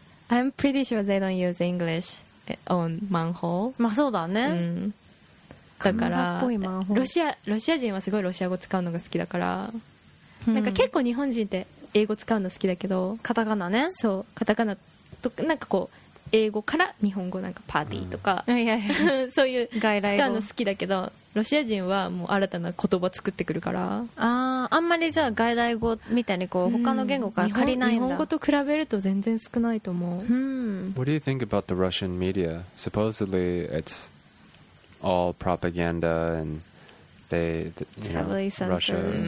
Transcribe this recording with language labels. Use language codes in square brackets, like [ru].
[en] I'm pretty sure they don't use English on manhole. [ja] まあそうだね。うん、だからカナダっぽいマンホール。ロシア人はすごいロシア語使うのが好きだから、うん、なんか結構日本人って英語使うの好きだけど、カタカナね。そう、カタカナとなんかこう英語から日本語なんかパーティーとか、うん、いやいやそういう外来語使うの好きだけど、ロシア人はもう新たな言葉作ってくるから、あんまりじゃあ外来語みたいにこう他の言語から借りないんだ。日本語と比べると全然少ないと思う。 [en] What do you think about the Russian media? Supposedly it's all propaganda and they, you know, Russia.